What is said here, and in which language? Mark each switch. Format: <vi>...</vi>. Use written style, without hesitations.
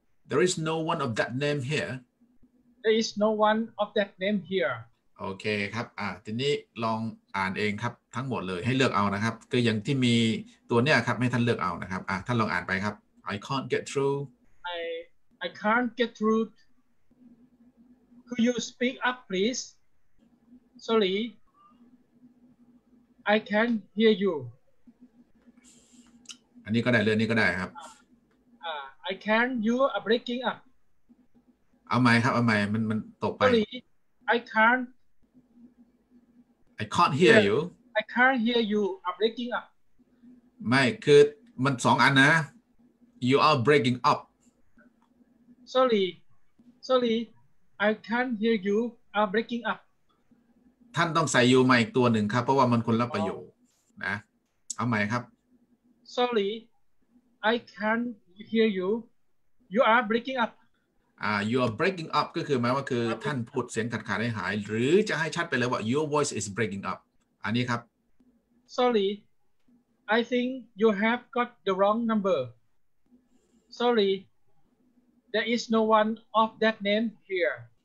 <en>There is no one of that name here. There is no one of that name here.</en> <th>โอเคครับทีนี้ลองอ่านเองครับทั้งหมดเลยให้เลือกเอานะครับก็อย่างที่มีตัวเนี้ยครับให้ท่านเลือกเอานะครับท่านลองอ่านไปครับ</th> <en>I can't get through. I can't get through. Could you speak up please? Sorry. I can't hear you.</en> <th>อันนี้ก็ได้เรื่องนี้ก็ได้ครับ</th> <en>I can't, you are breaking up.</en> <th>เอาไหมครับเอาไหมมันตกไป</th> <en>Sorry, I can't. I can't hear you. I can't hear you are breaking up.</en> <th>ไม่คือมันสองอันนะ</th> <en>You are breaking up. Sorry, I can't hear you are breaking up.</en> <th>ท่านต้องใส่ you มาอีกตัวหนึ่งครับเพราะว่ามันคนละประโยคนะเอาไหมครับ</th> <en>Sorry, I can'tHear you. You are breaking up. You are breaking up.</en> <th>ก็คือหมายว่าคือท่านพูดเสียงขาดขาดให้หายหรือจะให้ชัดไปเลยว่า</th> <en>your voice is breaking up.</en> <th>อันนี้ครับ</th> <en>Sorry. I think you have got the wrong number. Sorry. There is no one of that name here.</en>